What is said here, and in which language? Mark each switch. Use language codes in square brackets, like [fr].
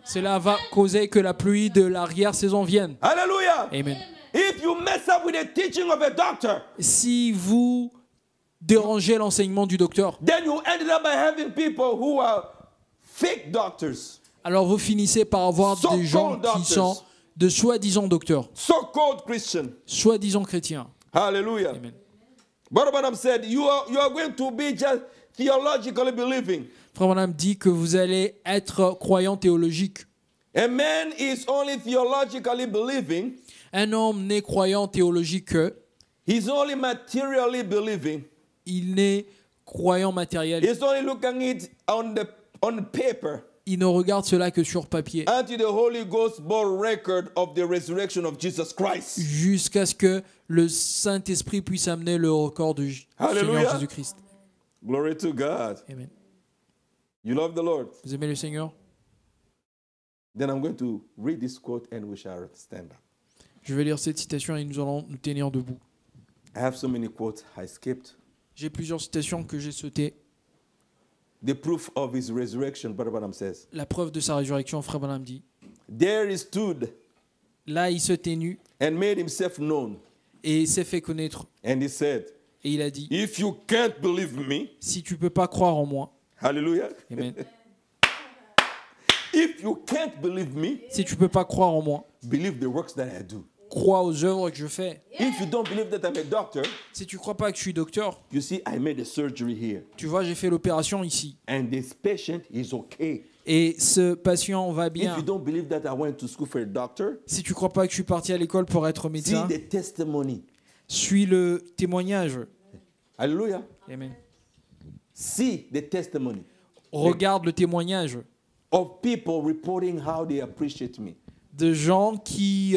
[fr] Cela va causer que la pluie de l'arrière-saison vienne. Alléluia. Amen. [en] If you mess up with the teaching of a doctor, [fr] si vous dérangez l'enseignement du docteur, [en] then you end up by having people who are fake doctors. [fr] Alors vous finissez par avoir [en] so-called [fr] des gens [en] doctors, [fr] qui sont de soi-disant docteurs. [en] So-called Christian. [fr] Soi-disant chrétiens. Alléluia. Amen. [en] Brother Branham said, you are going to be just theologically believing. [fr] Frère Branham dit que vous allez être croyant théologique. [en] A man is only theologically believing. [fr] Un homme n'est croyant théologique que. [en] He's only materially believing. [fr] Il n'est croyant matériel. [en] He's only looking it on the paper. [fr] Il ne regarde cela que sur papier. [en] Until the Holy Ghost bore record of the resurrection of Jesus Christ. [fr] Jusqu'à ce que le Saint-Esprit puisse amener le record du Seigneur Jésus-Christ. [en] Glory to God. Amen. You love the Lord. [fr] Vous aimez le Seigneur? [en] Then I'm going to read this quote and we shall stand up. [fr] Je vais lire cette citation et nous allons nous tenir debout. [en] I have so many quotes I skipped. [fr] J'ai plusieurs citations que j'ai sautées. [en] The proof of his resurrection, Brother Branham says. [fr] La preuve de sa résurrection, Frère Branham dit. [en] There he stood. [fr] Là, il se tenut. [en] And made himself known. [fr] Et s'est fait connaître. [en] And he said. [fr] Et il a dit, [en] if you can't believe me, [fr] si tu peux pas croire en moi, [en] hallelujah. Amen. If you can't believe me, [fr] si tu peux pas croire en moi, [en] believe the works that I do. [fr] Crois aux œuvres que je fais. [en] If you don't believe that I'm a doctor, [fr] si tu crois pas que je suis docteur, [en] you see, I made a surgery here. [fr] Tu vois, j'ai fait l'opération ici. [en] And this patient is okay. [fr] Et ce patient va bien. [en] If you don't believe that I went to school for a doctor, [fr] si tu crois pas que je suis parti à l'école pour être médecin, [en] see the testimony. [fr] Suis le témoignage. Alléluia. Amen. [en] See the testimony. [fr] Regarde le témoignage. [en] Of people reporting how they appreciate me. [fr] de gens qui